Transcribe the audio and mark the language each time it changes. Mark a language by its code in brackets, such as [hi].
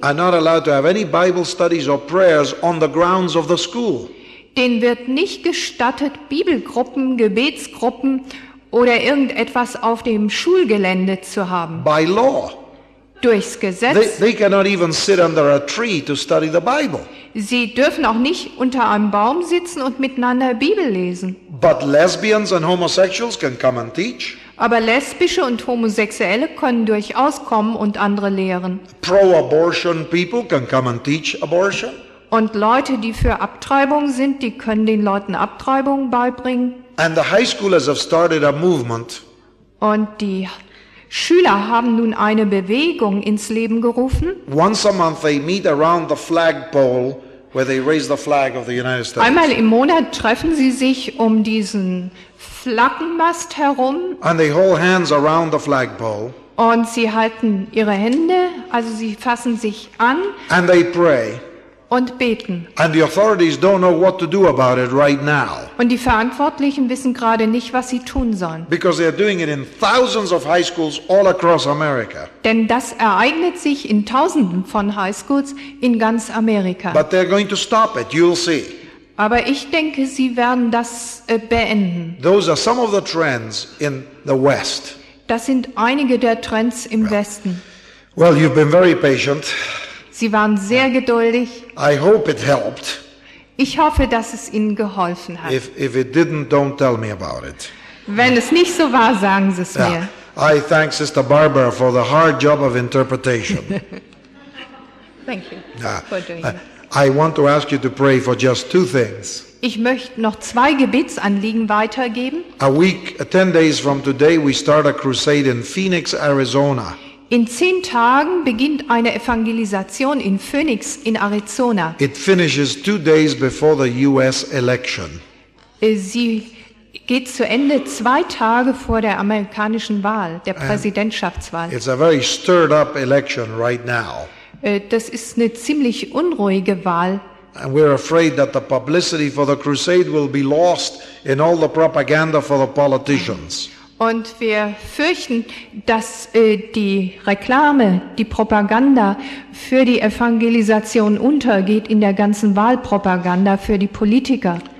[en] Are not allowed to have any Bible studies or prayers on the grounds of the school. [de] Denen wird nicht gestattet, Bibelgruppen, Gebetsgruppen oder irgendetwas auf dem Schulgelände zu haben. [en] By law. [de] Durchs Gesetz. [en] They cannot even sit under a tree to study the Bible. [de] Sie dürfen auch nicht unter einem Baum sitzen und miteinander Bibel lesen. [en] But lesbians and homosexuals can come and teach. [de] Aber Lesbische und Homosexuelle können durchaus kommen und andere lehren. [en] Pro-abortion people can come and teach abortion. [de] Und Leute, die für Abtreibung sind, die können den Leuten Abtreibung beibringen. [en] And the high schoolers have started a movement. [de] Und die Schüler haben nun eine Bewegung ins Leben gerufen. [en] Once a month they meet around the flagpole where they raise the flag of the United States. [de] Einmal im Monat treffen sie sich um diesen Flaggenmast herum. [en] And they hold hands around the flagpole. [de] Und sie halten ihre Hände, also sie fassen sich an. [en] And they pray. [de] Und beten. [en] And the authorities don't know what to do about it right now. [de] Und die Verantwortlichen wissen gerade nicht, was sie tun sollen. [en] Because they are doing it in thousands of high schools all across America. [de] Denn das ereignet sich in Tausenden von Highschools in ganz Amerika. [en] But they're going to stop it, you'll see. [de] Aber ich denke, sie werden das beenden. [en] Those are some of the trends in the West. [de] Das sind einige der Trends im Westen. [en] Well, you've been very patient. [de] Sie waren sehr geduldig. [en] I hope it helped. [de] Ich hoffe, dass es Ihnen geholfen hat. [en] If it didn't, don't tell me about it. [de] Wenn es nicht so war, sagen Sie es mir. [en] I thank Sister Barbara for the hard job of interpretation. Thank you for doing that. I want to ask you to pray for just two things. [de] Ich möchte noch zwei Gebetsanliegen weitergeben. [en] A week, 10 days from today, we start a crusade in Phoenix, Arizona. [de] In 10 Tagen beginnt eine Evangelisation in Phoenix in Arizona. [en] It finishes 2 days before the US election. [de] Sie geht zu Ende 2 Tage vor der amerikanischen Wahl, der Präsidentschaftswahl. [en] It's a very stirred up election right now. [de] Das ist eine ziemlich unruhige Wahl. [en] And we're afraid that the publicity for the crusade will be lost in all the propaganda for the politicians. [de] Und wir fürchten, dass die Reklame, die Propaganda für die Evangelisation untergeht in der ganzen Wahlpropaganda für die Politiker.